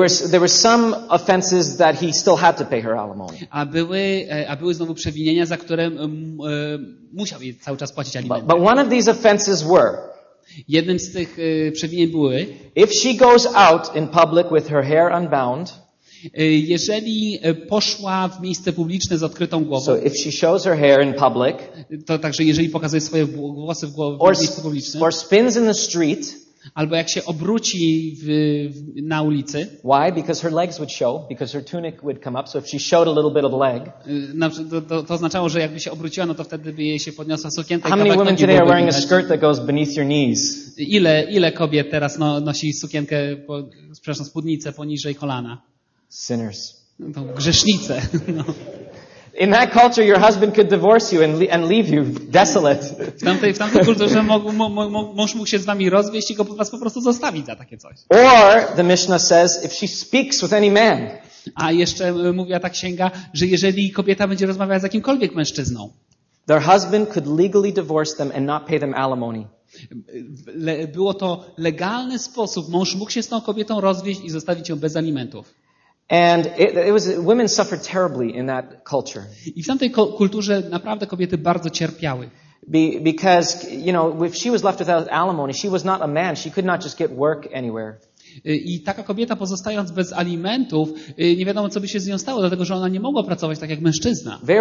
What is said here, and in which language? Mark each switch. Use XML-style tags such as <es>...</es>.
<en>There were some offenses that he still had to pay her alimony.</en> <pl>A były znowu przewinienia, za które musiał jej cały czas płacić alimenty.</pl> <en>But one of these offenses were.</en> <pl>Jednym z tych przewinień były.</pl> <en>If she goes out in public with her hair unbound.</en> <pl>Jeżeli poszła w miejsce publiczne z odkrytą głową,</pl> <en>so if she shows her hair in public,</en> <pl>to także jeżeli pokazuje swoje włosy w miejscu publicznym,</pl> <en>or spins in the street,</en> <pl>albo jak się obróci na ulicy.</pl> <en>Why? Because her legs would show, because her tunic would come up. So if she showed a little bit of leg.</en> <pl>To oznaczało, że jakby się obróciła, no to wtedy by jej się podniosła sukienka.</pl> <en>How many women today are wearing a skirt that goes beneath your knees?</en> <pl>Ile kobiet teraz nosi sukienkę, przepraszam, spódnicę poniżej kolana?</pl> <en>Sinners.</en> <pl>No, grzesznice. No.</pl> <en>In that culture, your husband could divorce you and leave you desolate.</en> <pl>W tamtej kulturze mąż mógł się z wami rozwieść i go was po prostu zostawić za takie coś.</pl> <en>Or the Mishnah says, if she speaks with any man.</en> <pl>A jeszcze mówiła ta księga, że jeżeli kobieta będzie rozmawiać z jakimkolwiek mężczyzną,</pl> <en>their husband could legally divorce them and not pay them alimony.</en> <pl>Było to legalny sposób, mąż mógł się z tą kobietą rozwieść i zostawić ją bez alimentów.</pl> <en>And women suffered terribly in that culture.</en> <pl>I w tamtej kulturze naprawdę kobiety bardzo cierpiały.</pl> <en>Because, you know, if she was left without alimony, she was not a man. She could not just get work anywhere.</en> <pl>I taka kobieta, pozostając bez alimentów, nie wiadomo, co by się z nią stało, dlatego że ona nie mogła pracować tak jak mężczyzna.</pl>